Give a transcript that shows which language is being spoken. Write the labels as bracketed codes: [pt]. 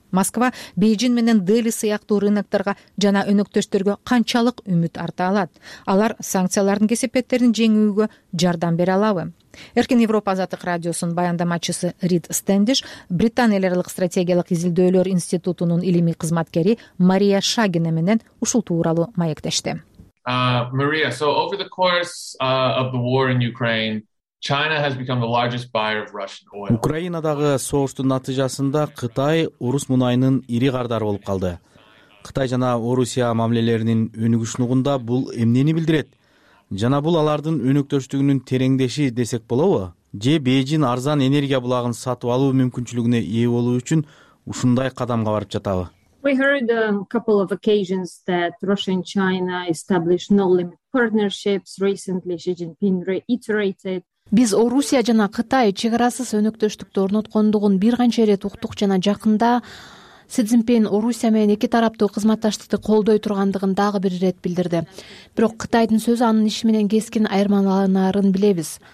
[ky] Москва Бейжин менен Дели сыяктуу рынокторго жана өнөктөштөргө канчалык үмүт арта алат? Алар санкциялардын кесепеттерин жеңүүгө жардам бере алабы? Эркин Европа азаттык радиосунун баяндамачысы Рид Стендиш, Британ эл аралык стратегиялык изилдөөлөр институтунун илимий кызматкери Мария Шагина менен ушул тууралуу маектешти. [en] Мария, so over the course of the war in Ukraine, China has become the largest buyer of Russian oil. [ky] Украинадагы согуштун натыйжасында Кытай орус мунайынын ири кардары болуп калды. Кытай жана Орусия мамилелеринин өнүгүшүнүгүндө бул эмнени билдирет? Жана бул алардын өнөктөштүгүнүн тереңдеши десек болобу? Же Бейжин арзан энергия булагын сатып алуу мүмкүнчүлүгүнө ээ болуу үчүн ушундай кадамга барып жатабы? [en] We heard a couple of occasions that Russia and China established no-limit partnerships recently. Xi Jinping reiterated. [ky] Биз Орусия жана Кытай чек арасыз өнөктөштүктү орноткондугун бир канча ирет уктук жана жакында Си Цзиньпин Орусия менен эки тараптуу кызматташтыкты колдой тургандыгын дагы бир ирет билдирди. Бирок Кытайдын сөзү анын иши менен кескин айырмаланарын билебиз.